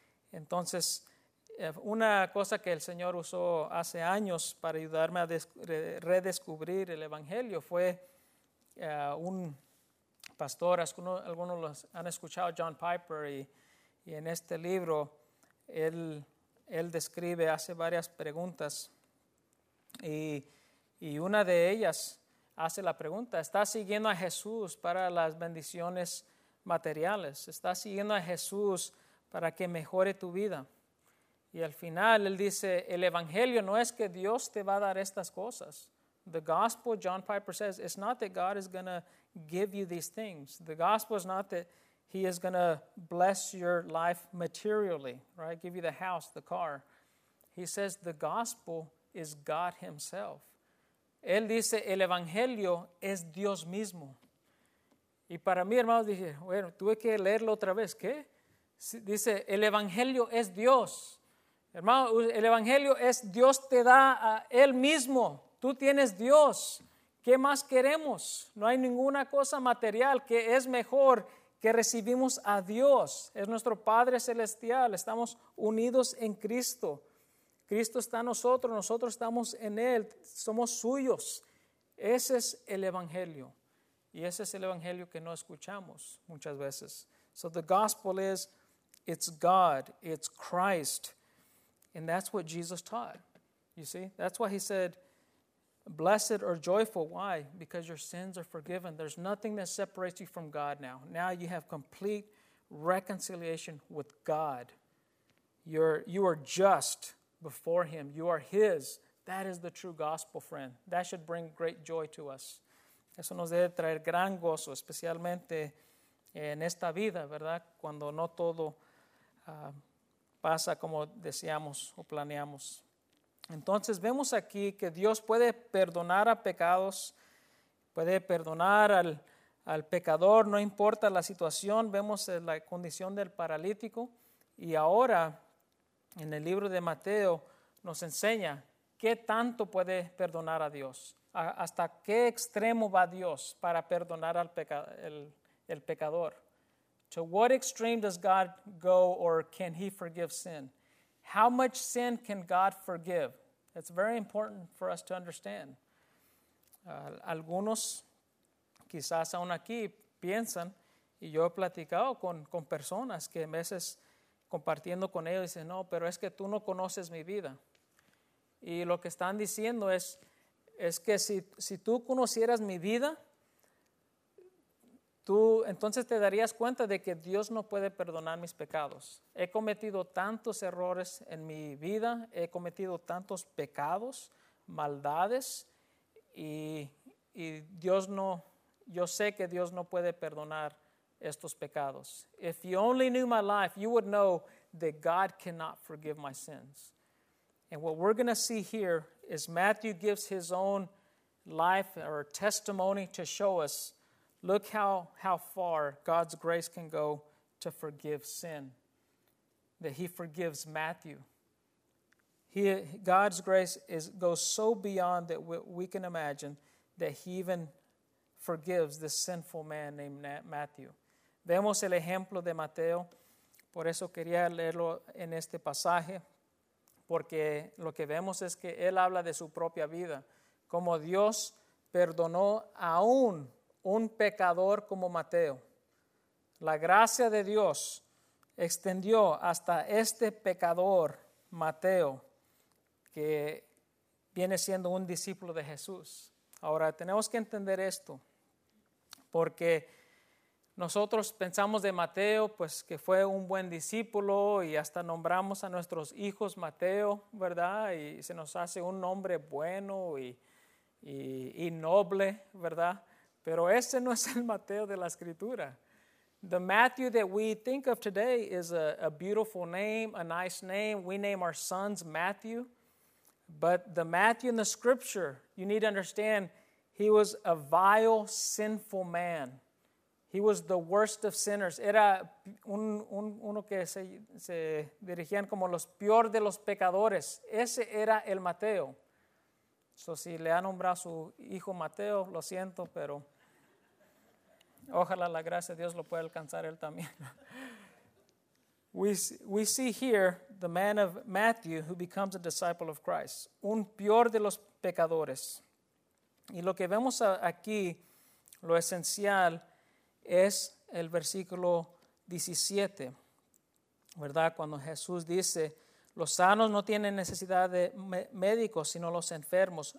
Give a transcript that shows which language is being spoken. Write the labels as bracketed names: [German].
[Spanish] Entonces, una cosa que el Señor usó hace años para ayudarme a redescubrir el Evangelio fue un pastor, algunos los han escuchado, John Piper, y en este libro él describe, hace varias preguntas, y una de ellas hace la pregunta: ¿estás siguiendo a Jesús para las bendiciones materiales? ¿Estás siguiendo a Jesús para que mejore tu vida? Y al final él dice, el Evangelio no es que Dios te va a dar estas cosas. [English] The gospel, John Piper says, it's not that God is going to give you these things. The gospel is not that he is going to bless your life materially, right? Give you the house, the car. He says the gospel is God himself. [Spanish] Él dice, el Evangelio es Dios mismo. Y para mí, hermanos, dije, bueno, tuve que leerlo otra vez. ¿Qué? Dice, el Evangelio es Dios. Hermano, el Evangelio es Dios te da a Él mismo. Tú tienes Dios. ¿Qué más queremos? No hay ninguna cosa material que es mejor que recibimos a Dios. Es nuestro Padre Celestial. Estamos unidos en Cristo. Cristo está en nosotros. Nosotros estamos en Él. Somos suyos. Ese es el Evangelio. Y ese es el Evangelio que no escuchamos muchas veces. [English] So the gospel is, it's God, it's Christ. And that's what Jesus taught. You see, that's why he said, blessed or joyful. Why? Because your sins are forgiven. There's nothing that separates you from God now. Now you have complete reconciliation with God. You are just before him. You are his. That is the true gospel, friend. That should bring great joy to us. [Spanish] Eso nos debe traer gran gozo, especialmente en esta vida, ¿verdad? Cuando no todo pasa como deseamos o planeamos. Entonces vemos aquí que Dios puede perdonar a pecados, puede perdonar al pecador, no importa la situación. Vemos la condición del paralítico. Y ahora en el libro de Mateo nos enseña qué tanto puede perdonar a Dios. ¿Hasta qué extremo va Dios para perdonar al el pecador? [English] To what extreme does God go, or can he forgive sin? How much sin can God forgive? It's very important for us to understand. [Spanish] Algunos, quizás aún aquí, piensan, y yo he platicado con personas que a veces compartiendo con ellos, dicen, no, pero es que tú no conoces mi vida. Y lo que están diciendo es que si tú conocieras mi vida, tú entonces te darías cuenta de que Dios no puede perdonar mis pecados. He cometido tantos errores en mi vida, he cometido tantos pecados, maldades, y Dios no, yo sé que Dios no puede perdonar estos pecados. [English] If you only knew my life, you would know that God cannot forgive my sins. And what we're going to see here is Matthew gives his own life or testimony to show us, look how far God's grace can go to forgive sin. That he forgives Matthew. God's grace goes so beyond that we can imagine that he even forgives this sinful man named Matthew. [Spanish] Vemos el ejemplo de Mateo. Por eso quería leerlo en este pasaje. Porque lo que vemos es que él habla de su propia vida. Como Dios perdonó a un pecador como Mateo. La gracia de Dios extendió hasta este pecador, Mateo, que viene siendo un discípulo de Jesús. Ahora, tenemos que entender esto. Porque nosotros pensamos de Mateo, pues que fue un buen discípulo y hasta nombramos a nuestros hijos Mateo, ¿verdad? Y se nos hace un nombre bueno y noble, ¿verdad? Pero ese no es el Mateo de la Escritura. [English] The Matthew that we think of today is a beautiful name, a nice name. We name our sons Matthew. But the Matthew in the scripture, you need to understand, he was a vile, sinful man. He was the worst of sinners. [Spanish] Era uno que se dirigían como los peor de los pecadores. Ese era el Mateo. So, si le ha nombrado a su hijo Mateo, lo siento, pero ojalá la gracia de Dios lo pueda alcanzar él también. [English] We see here the man of Matthew who becomes a disciple of Christ. [Spanish] Un peor de los pecadores. Y lo que vemos aquí, lo esencial, es el versículo 17. ¿Verdad? Cuando Jesús dice, los sanos no tienen necesidad de médicos, sino los enfermos.